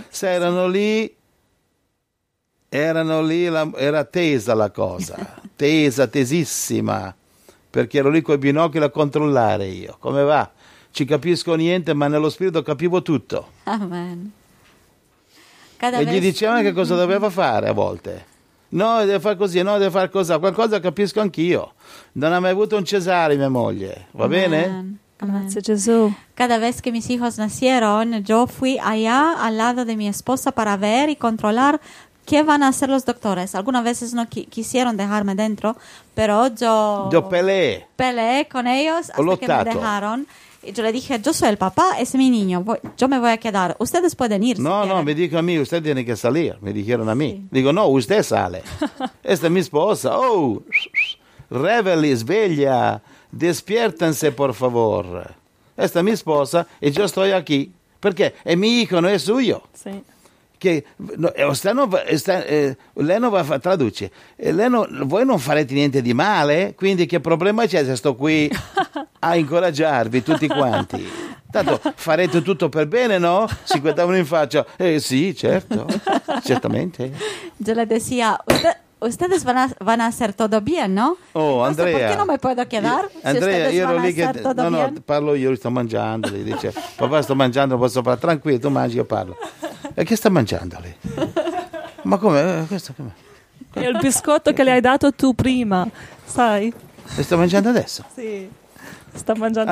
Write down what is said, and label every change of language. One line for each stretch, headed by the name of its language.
Italian: Se erano lì, era tesa la cosa, tesa, tesissima, perché ero lì con i binocoli a controllare io. Come va? Ci capisco niente, ma nello spirito capivo tutto. Amen. Gli dicevano che cosa doveva fare a volte. No, deve fare così, no, deve fare cosa. Qualcosa capisco anch'io. Non ha mai avuto un cesare mia moglie, va Amen. Bene? Grazie Gesù.
Spanish: Cada vez que mis hijos nacieron, yo fui allá al lado de mi esposa para ver y controlar qué van a hacer los doctores. Algunas veces no quisieron dejarme dentro, pero yo peleé con ellos hasta que me dejaron. Y yo le dije, yo soy el papá, es mi niño, yo me voy a quedar. Ustedes pueden ir. No, si no, me dijo a mí, usted tiene que salir. Me dijeron a mí. Sí. Digo, no, usted sale. Esta es mi esposa. Oh,
Italian: Reveli, sveglia,
Spanish: despiértense, por favor. Esta es mi esposa y yo estoy aquí. ¿Por qué? Es mi hijo, no es suyo. Sí. Que, no, usted no, usted, no va a traducir.
Italian: No, voi non farete niente di male, quindi che problema c'è se sto qui a incoraggiarvi tutti quanti? Tanto farete tutto per bene, no? Si guardavano in faccia. Sì, certo, certamente.
Spanish: Je le decía, ustedes van a hacer todo bien, no?
Italian: Oh, Andrea. Perché non mi
Spanish: puedo quedar?
Italian: Andrea, si io ero lì che... No,
Spanish: bien?
Italian: No, parlo io, sto mangiando. Gli dice, papà, sto mangiando, posso parlare? Tranquillo, tu mangi, io parlo. E che sta mangiando lì? Ma come? Questo come? È il biscotto che le hai dato tu prima, sai? E sto mangiando adesso? Sì. Sta mangiando